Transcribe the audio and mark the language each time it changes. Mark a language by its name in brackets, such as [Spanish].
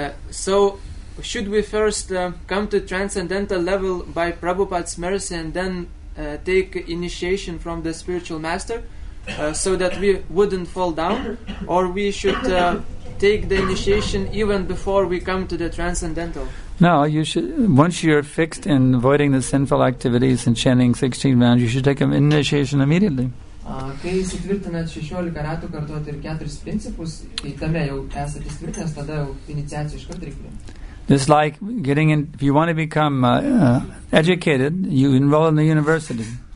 [English] So, should we first come to transcendental level by Prabhupada's mercy and then take initiation from the spiritual master, so that we wouldn't fall down, or we should take the initiation even before we come to the transcendental? No, you should. Once you're fixed in avoiding the sinful activities and chanting 16 rounds, you should take an initiation immediately. [Lithuanian] Kai įsitvirtinat 16 ratų kartuot ir 4 principus, tai tame jau esat įsitvirtinęs, tada jau iniciaciją iš kart reikia. [English] It's like getting in, if you want to become educated, you enroll in the university.